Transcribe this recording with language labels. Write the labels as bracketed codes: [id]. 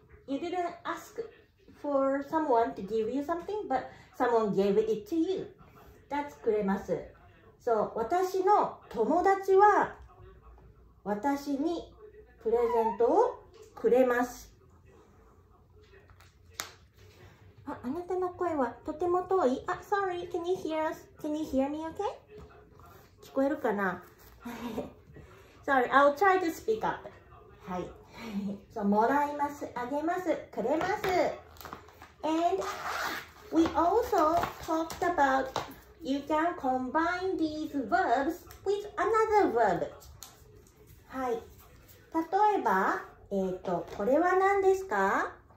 [en] You didn't ask for someone to give you something, but someone gave it to you. That's くれます。 So, [ja] 私の友達は私にプレゼントをくれます。あ、あなたの声はとても遠い。あ、 [en] sorry, can you hear us? Can you hear me okay? [ja] 聞こえるかな [en] Sorry, I'll try to speak up. [ja] はい。 [en] So, もらいます、あげます、くれます。 And we also talked about you can combine these verbs with another verb. [ja] はい。例えば、これは何ですか？